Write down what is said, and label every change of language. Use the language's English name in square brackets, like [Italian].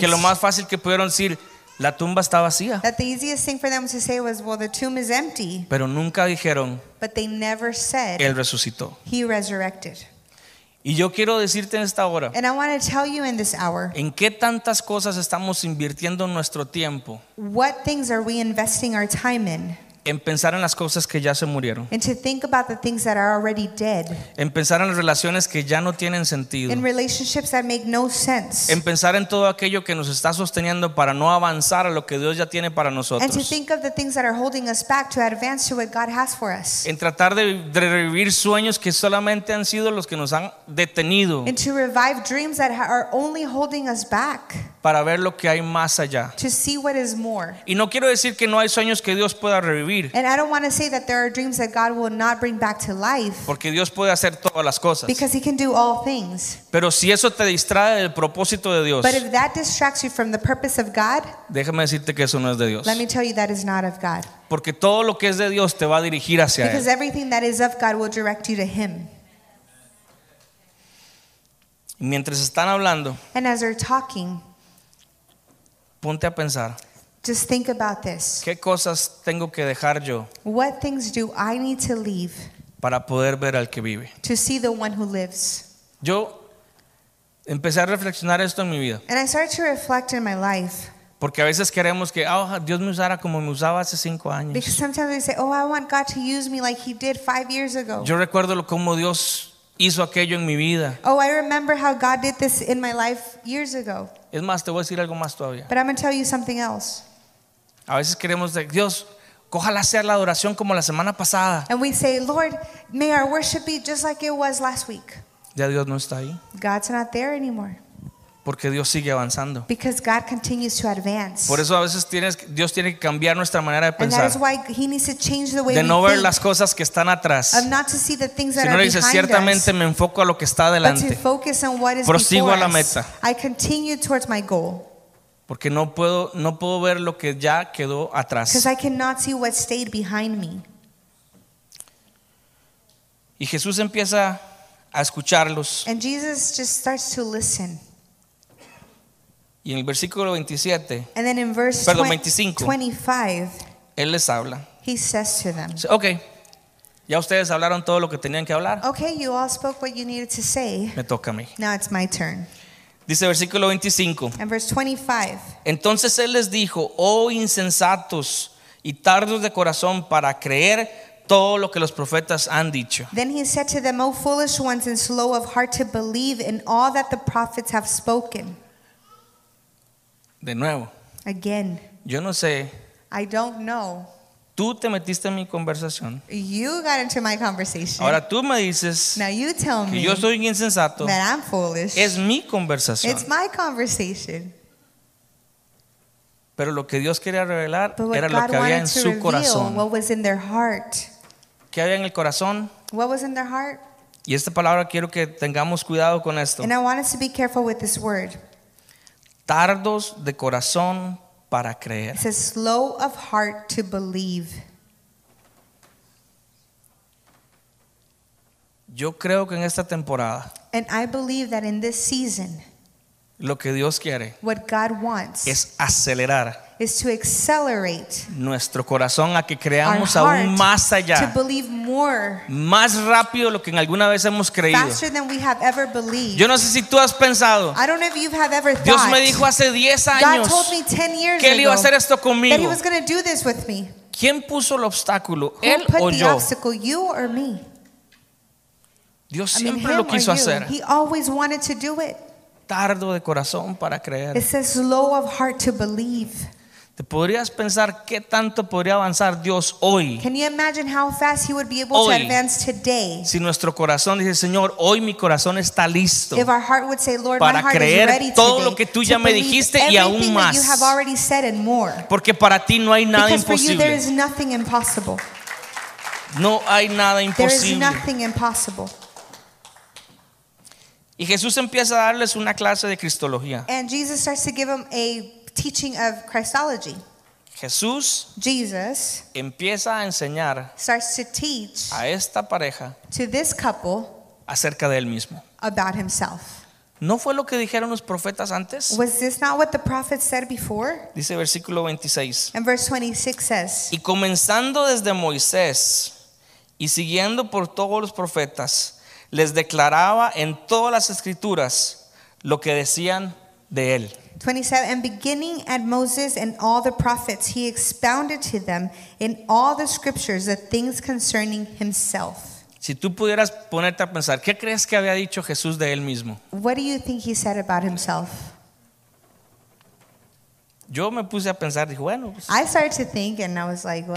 [Spanish] Que lo más fácil que pudieron decir, la tumba está vacía. [English] That the easiest thing for them to say was, well, the tomb is empty. [Spanish] Pero nunca dijeron, [English] but they never said, [Spanish] él resucitó. [English] He resurrected. [Spanish] Y yo quiero decirte en esta hora, [English] and I want to tell you in this hour, [Spanish] ¿en qué tantas cosas estamos invirtiendo nuestro tiempo? [English] What things are we investing our time in? [Spanish] En pensar en las cosas que ya se murieron. [English] And to think about the things that are already dead. [Spanish] En pensar en las relaciones que ya no tienen sentido. [English] In relationships that make no sense. [Spanish] En pensar en todo aquello que nos está sosteniendo para no avanzar a lo que Dios ya tiene para nosotros. [English] And to think of the things that are holding us back to advance to what God has for us. [Spanish] En tratar de revivir sueños que solamente han sido los que nos han detenido. [English] And to revive dreams that are only holding us back. [Spanish] Para ver lo que hay más allá. [English] To see what is more. [Spanish] Y no quiero decir que no hay sueños que Dios pueda revivir. [English] And I don't want to say that there are dreams that God will not bring back to life. [Spanish] Porque Dios puede hacer todas las cosas. [English] Because he can do all things. [Spanish] Pero si eso te distrae del propósito de Dios. [English] But if that distracts you from the purpose of God. [Spanish] Déjame decirte que eso no es de Dios. [English] Let me tell you that is not of God. [Spanish] Porque todo lo que es de Dios te va a dirigir hacia [English] because [Spanish] él. [English] Because everything that is of God will direct you to him. [Spanish] Y mientras están hablando. [English] And as they're talking. [Spanish] Ponte a pensar. [English] Just think about this. [Spanish] ¿Qué cosas tengo que dejar yo? [English] What things do I need to leave? [Spanish] Para poder ver al que vive. [English] To see the one who lives. [Spanish] Yo empecé a reflexionar esto en mi vida. [English] And I started to reflect in my life. [Spanish] Porque a veces queremos que Dios me usara como me usaba hace 5 años. [English] Because sometimes we say, oh, I want God to use me like he did 5 years ago. [Spanish] Yo recuerdo cómo Dios hizo aquello en mi vida. [English] Oh, I remember how God did this in my life years ago. [Spanish] Es más, te voy a decir algo más todavía. [English] But I'm going to tell you something else. [Spanish] A veces queremos de Dios, ojalá sea la adoración como la semana pasada. [English] And we say, Lord, may our worship be just like it was last week. [Spanish] Ya Dios no está ahí. [English] God's not there anymore. [Spanish] Porque Dios sigue avanzando. [English] Because God continues to advance. [Spanish] Por eso a veces Dios tiene que cambiar nuestra manera de pensar. [English] And that is why he needs to change the way [Spanish] de [English] we [Spanish] no ver [English] think, [Spanish] las cosas que están atrás. [English] Of not to see the things that [Spanish] sino [English] are behind [Spanish] dices, ciertamente [English] us, [Spanish] me enfoco a lo que está adelante. [English] But to focus on what is [Spanish] prosigo [English] before [Spanish] a la meta. [English] Us. I continue towards my goal. [Spanish] Porque no puedo ver lo que ya quedó atrás. [English] Because I cannot see what stayed behind me. [Spanish] Y Jesús empieza a escucharlos. [English] And Jesus just starts to listen. [Spanish] Y en el versículo 27, [English] and then in verse 25, [Spanish] él les habla. [English] He says to them, [Spanish] okay, ya ustedes hablaron todo lo que tenían que hablar. [English] Okay, you all spoke what you needed to say. [Spanish] Me toca a mí. [English] Now it's my turn. [Spanish] Dice versículo 25. [English] And verse 25. [Spanish] Entonces él les dijo, oh insensatos y tardos de corazón para creer todo lo que los profetas han dicho. [English] Then he said to them, oh foolish ones and slow of heart to believe in all that the prophets have spoken. [Spanish] De nuevo. [English] Again. [Spanish] Yo no sé. [English] I don't know. [Spanish] Tú te metiste en mi conversación. [English] You got into my conversation. [Spanish] Ahora tú me dices. [English] Now you tell [Spanish] que [English] me. [Spanish] Yo soy insensato. [English] That I'm foolish. [Spanish] Es mi conversación. [English] It's my conversation. [Spanish] Pero lo que Dios quería revelar era [English] God [Spanish] lo que había en su corazón. [English] What was in their heart. [Spanish] ¿Qué había en el corazón? [English] What was in their heart? [Spanish] Y esta palabra quiero que tengamos cuidado con esto. [English] And I want us to be careful with this word. [Spanish] Tardos de corazón para creer. [English] It says slow of heart to believe. [Spanish] Yo creo que en esta temporada. [English] And I believe that in this season. [Spanish] Lo que Dios quiere. [English] What God wants. [Spanish] Es acelerar. [English] is to accelerate [Spanish] nuestro corazón a que creamos aún más allá, [English] to believe more, [Spanish] más rápido lo que en alguna vez hemos creído, [English] faster than we have ever believed. [Spanish] Yo no sé si tú has pensado, [English] I don't know if you have ever thought, [Spanish] Dios me dijo hace 10 años, [English] God told me 10 years [Spanish] que Él iba a hacer esto conmigo, [English] that He was going to do this with me. [Spanish] ¿Quién puso el obstáculo? [English] Who [Spanish] ¿Él [English] put [Spanish] o [English] the [Spanish] yo? [English] Obstacle, you or me? [Spanish] Dios siempre lo quiso hacer. [English] He always wanted to do it. [Spanish] Tardo de corazón para creer. [English] It's a slow of heart to believe. [Spanish] ¿Te podrías pensar qué tanto podría avanzar Dios hoy? [English] Can you imagine how fast He would be able [Spanish] hoy, [English] to advance today? [Spanish] Si nuestro corazón dice, Señor, hoy mi corazón está listo. [English] If our heart would say, Lord, [Spanish] para [English] my heart [Spanish] creer [English] is ready today, [Spanish] todo lo que tú ya me dijiste y aún más. [English] You have already said and more. [Spanish] Porque para ti no hay nada imposible. [English] you, there is nothing impossible. [Spanish] No hay nada imposible. [English] There is nothing impossible. [Spanish] Y Jesús empieza a darles una clase de cristología. [English] And Jesus starts to give them a teaching of Christology. [Spanish] Jesus empieza a enseñar, [English] starts to teach, [Spanish] a esta pareja, [English] to this couple, [Spanish] acerca de él mismo, [English] about himself. [Spanish] ¿No fue lo que dijeron los profetas antes? [English] Was this not what the prophets said before? [Spanish] Dice versículo 26. [English] And verse 26 says, [Spanish] y comenzando desde Moisés y siguiendo por todos los profetas, les declaraba en todas las escrituras lo que decían de él. [English] 27, and beginning at Moses and all the prophets, he expounded to them in all the scriptures the things concerning himself. [Spanish] Si tú pudieras ponerte a pensar, ¿qué crees que había dicho Jesús de él mismo? [English] What do you think he said about himself? [Spanish] Yo me puse a pensar, dije, bueno, [English] I started to think and I was like, well,